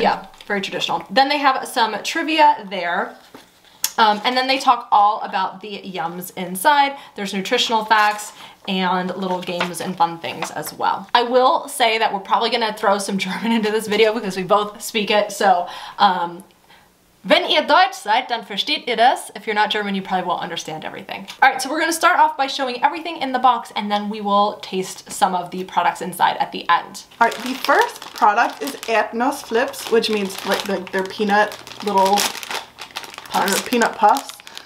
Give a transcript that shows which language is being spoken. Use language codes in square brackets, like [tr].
[en] Yeah, very traditional. Then they have some trivia there. And then they talk all about the yums inside. There's nutritional facts and little games and fun things as well. I will say that we're probably gonna throw some German into this video because we both speak it. [de] So, wenn ihr Deutsch seid, dann versteht ihr das. [en] If you're not German, you probably won't understand everything. All right, so we're gonna start off by showing everything in the box and then we will taste some of the products inside at the end. All right, the first product is Erdnuss Flips, which means like they're peanut little peanut puffs.